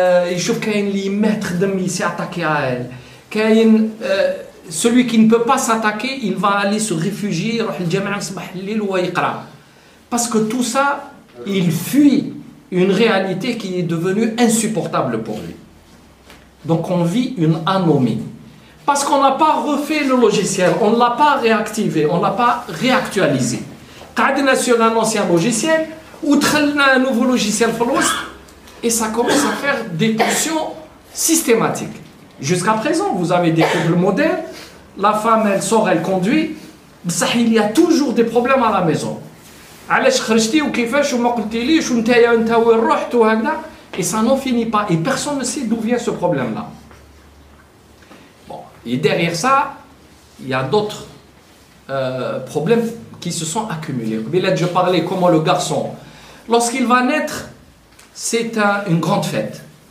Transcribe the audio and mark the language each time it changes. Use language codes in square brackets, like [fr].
[ar] يشوف كاين اللي ما تخدم يسي اتاكي عائل كاين [fr] celui qui ne peut pas s'attaquer il va aller se réfugier [ar] يروح الجامعة صباح الليل هو يقرا [fr] parce que tout ça il fuit une réalité qui est devenue insupportable pour lui donc on vit une anomie parce qu'on n'a pas refait le logiciel on ne l'a pas réactivé on ne l'a pas réactualisé [ar] قعدنا [fr] sur un ancien logiciel ou [ar] دخلنا [fr] un nouveau logiciel [ar] في الوسط. [fr] Et ça commence à faire des tensions systématiques. Jusqu'à présent, vous avez des couples modèles, la femme elle sort, elle conduit, [ar] بصح [fr] il y a toujours des problèmes à la maison. [ar] علاش خرجتي وكيفاش وما قلتليش ونتايا انت وين رحت وهكذا. [fr] Et ça n'en finit pas. Et personne ne sait d'où vient ce problème-là. Bon. Et derrière ça, il y a d'autres problèmes qui se sont accumulés. Bilal, je parlais comment le garçon, lorsqu'il va naître, c'est une grande fête.